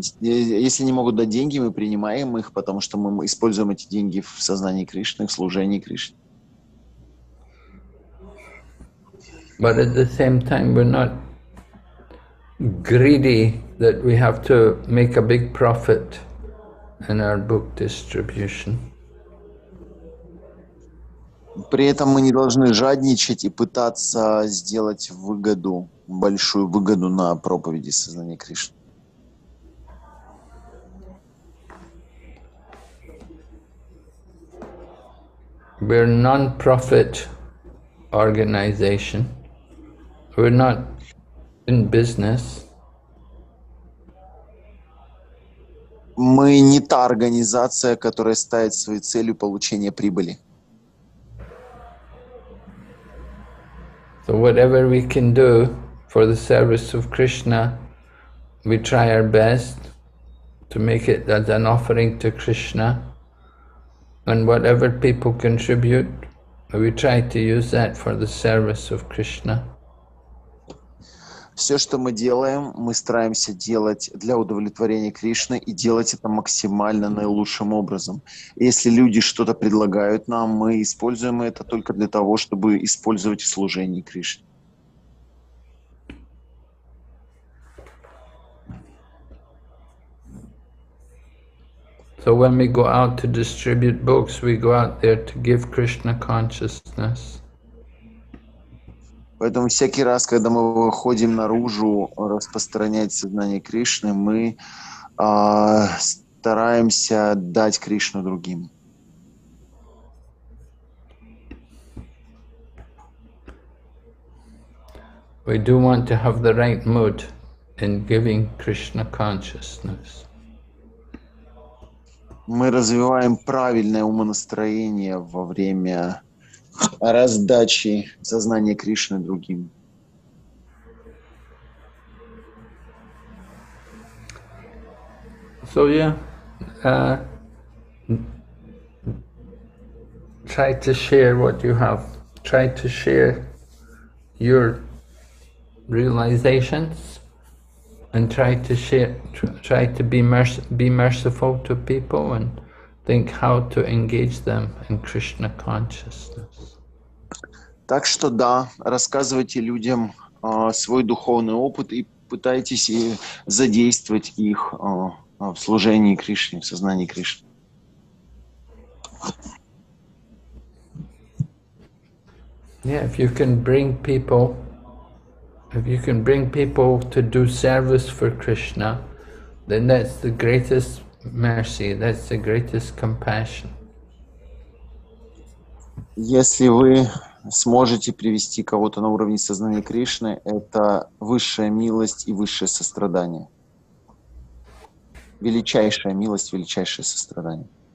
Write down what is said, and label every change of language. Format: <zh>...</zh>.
<ru>Если они могут дать деньги, мы принимаем их, потому что мы используем эти деньги в сознании Кришны, в служении Кришне.</ru> <en>But at the same time, we're not greedy that we have to make a big profit in our book distribution.</en> <ru>При этом мы не должны жадничать и пытаться сделать выгоду, большую выгоду на проповеди сознания Кришны.</ru> <en>We're a non-profit organization. We're not in business.</en> <ru>Мы не та организация, которая ставит своей целью получение прибыли.</ru> <en>So whatever we can do for the service of Krishna, we try our best to make it as an offering to Krishna. And whatever people contribute, we try to use that for the service of Krishna.</en> <ru>Все, что мы делаем, мы стараемся делать для удовлетворения Кришны и делать это максимально наилучшим образом. Если люди что-то предлагают нам, мы используем это только для того, чтобы использовать в служении Кришне.</ru> <en>So when we go out to distribute books, we go out there to give Krishna consciousness.</en> <ru>Поэтому всякий раз, когда мы выходим наружу распространять сознание Кришны, мы стараемся дать Кришну другим.</ru> <en>We do want to have the right mood in giving Krishna consciousness.</en> <ru>Мы развиваем правильное умонастроение во время о раздаче сознания Кришны другим.</ru> <en>So yeah, try to share what you have. Try to share your realizations, and try to be merciful to people, and think how to engage them in Krishna consciousness.</en> <ru>Так что да, рассказывайте людям свой духовный опыт и пытаетесь задействовать их в служении Кришне, в сознании Кришны.</ru> <en>Yeah, if you can bring people to do service for Krishna, then that's the greatest mercy, that's the greatest compassion.</en> <ru>Если вы сможете привести кого-то на уровне сознания Кришны, это высшая милость и высшее сострадание. Величайшая милость, величайшее сострадание.</ru>